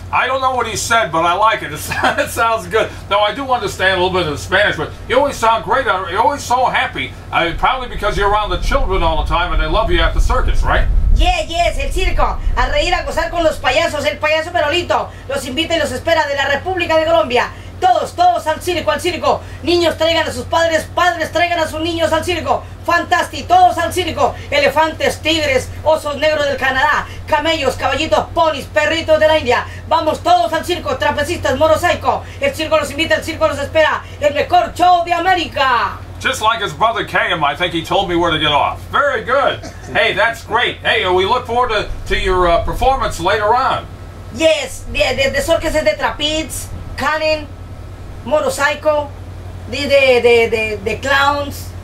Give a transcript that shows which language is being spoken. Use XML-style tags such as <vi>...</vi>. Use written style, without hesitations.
<en>I don't know what he said, but I like it. It sounds good. Though I do understand a little bit of the Spanish, but you always sound great. You're always so happy, probably because you're around the children all the time and they love you at the circus, right? Yes,</en> <es>el circo. A reír, a gozar con los payasos, el payaso Perolito. Los invita y los espera de la República de Colombia. Todos, todos al circo, al circo. Niños traigan a sus padres, padres traigan a sus niños al circo. Fantástico, todos al circo. Elefantes, tigres, osos negros del Canadá, camellos, caballitos, ponis, perritos de la India. Vamos todos al circo, trapecistas, monosaico. El circo los invita, el circo los espera. El mejor show de América.</es> <en>Just like his brother Cam, I think he told me where to get off. Very good. Hey, that's great. Hey, we look forward to your performance later on. Yes, the circus is the trapeze, cannon, motorcycle, the clowns.</en>